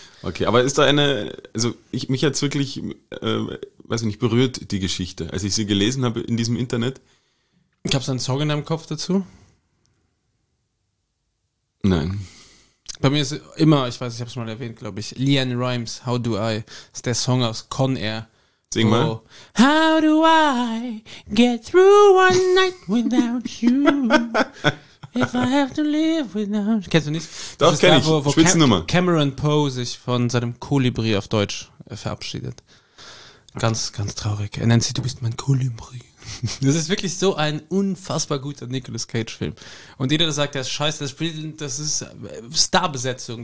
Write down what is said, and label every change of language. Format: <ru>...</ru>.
<de>Okay, aber ist da eine, also mich hat's wirklich, weiß ich nicht, berührt, die Geschichte, als ich sie gelesen habe in diesem Internet. Gab's da einen Song in deinem Kopf dazu? Nein. Bei mir ist immer, ich weiß, ich habe es mal erwähnt, glaube ich, Leanne Rimes, How Do I, ist der Song aus Con Air. Sing mal.</de> <en>How do I get through one night without you, if I have to live without you.</en> <de>Kennst du nicht? Doch, kenn ich. Wo Spitzennummer. Cameron Poe sich von seinem Kolibri auf Deutsch verabschiedet. Ganz, ganz traurig. Er nennt sich, du bist mein Kolibri. Das ist wirklich so ein unfassbar guter Nicolas Cage-Film. Und jeder, der sagt, der ist scheiße, das ist Starbesetzung.</de>